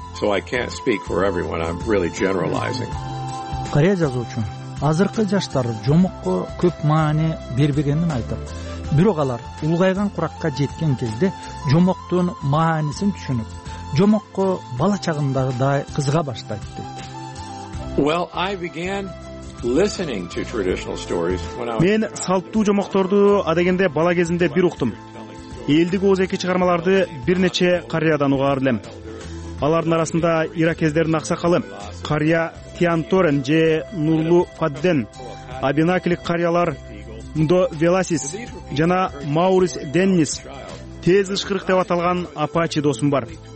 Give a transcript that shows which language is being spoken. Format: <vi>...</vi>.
<ky>Корей жазуучу азыркы жаштар жомокко көп маани бербегенин айтып, Бирок алар улгайган куракка жеткен кезде жомоктун маанисин түшүнүп, жомокко бала чагындагыдай кызыга баштайт деп.</ky> <en>Well, I began listening to traditional stories when I was</en> <ky>Мен салттуу жомокторду адегенде бала кезимде бир уктум. Элдик ооз эки чыгармаларды бир нече карыядан угар элем. Алардын арасында иракездердин аксакалы, карыя Тианторен же Нурлу Фадден, абинакилик карыялар Ндо Веласис жана Маурис Деннис, тез ышкырык деп аталган апачи досум бар.</ky>